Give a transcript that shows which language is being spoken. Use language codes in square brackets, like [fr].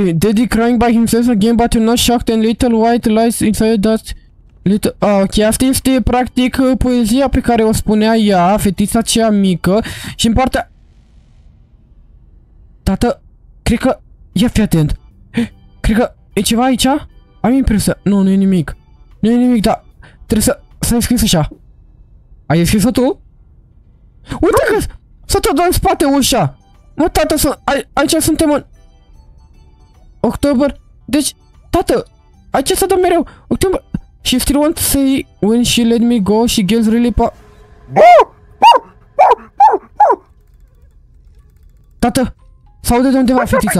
[en] Daddy crying by himself again, but you're not shocked and little white lies inside that little... [ro] Ok, asta este practic poezia pe care o spunea ea, fetița cea mică, și în partea... Tată, cred că... Ia fi atent. Cred că e ceva aici? Am impresia. Nu e nimic. Nu e nimic, dar trebuie să-i scris așa. Ai deschis-o tu? Uite că s-a tot dat în spate ușa! Mă, tată, aici suntem în... October... Deci, tată, aici s-a dat mereu! [en] October... She still wants to say when she let me go, she gets really pa... [ro] Tată, s-aude de undeva fetița!